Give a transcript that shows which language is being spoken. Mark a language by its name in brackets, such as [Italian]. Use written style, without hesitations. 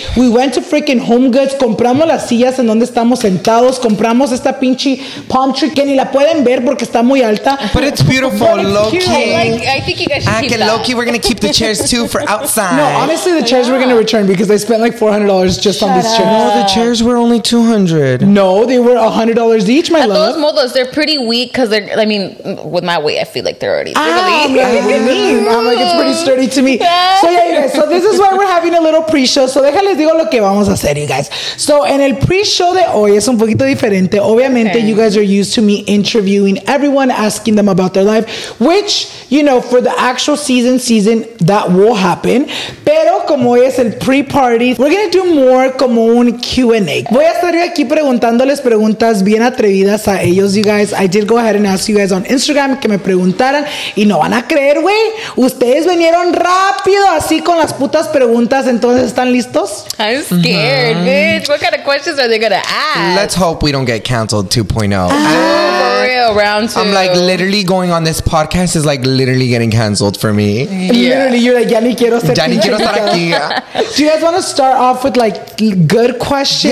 [English] We went to freaking Home Goods, [Spanish] compramos las sillas en donde estamos sentados, compramos esta pinche [English] palm tree [Spanish] que ni la pueden ver porque está muy alta. [English] But it's beautiful, but it's low key. I think you guys should keep that. Low key, we're gonna keep the chairs too for outside. No, honestly, the chairs we're gonna return because I spent like $400 just on these chairs. Chairs were only $200. No, they were $100 each, my love. Those modos, they're pretty weak because they're, I mean, with my weight, I feel like they're already I'm like, it's pretty sturdy to me. So yeah, you guys, so this is why we're having a little pre-show. [Spanish] So déjales digo lo que vamos a hacer, [English] you guys. [Spanish] So en el pre-show de hoy es un poquito diferente. [English] Obviamente, okay. You guys are used to me interviewing everyone, asking them about their life, which, you know, for the actual season, that will happen. [Spanish] Pero como hoy es el pre-party, [English] we're going to do more [Spanish] como un Q&A. Voy a estar aquí preguntándoles preguntas bien atrevidas a ellos, [English] you guys. I did go ahead and ask you guys on Instagram [Spanish] que me preguntaran. Y no van a creer, güey. Ustedes vinieron rápido así con las putas preguntas. Entonces, ¿están listos? [English] I'm scared, bitch. What kind of questions are they gonna ask? Let's hope we don't get canceled 2.0. For real, round two. I'm like, literally going on this podcast is like literally getting canceled for me. Yeah. Literally, you're like, [Spanish] ya ni quiero ser. Ya ni quiero estar aquí. [English] Do you guys want to start off with like good questions?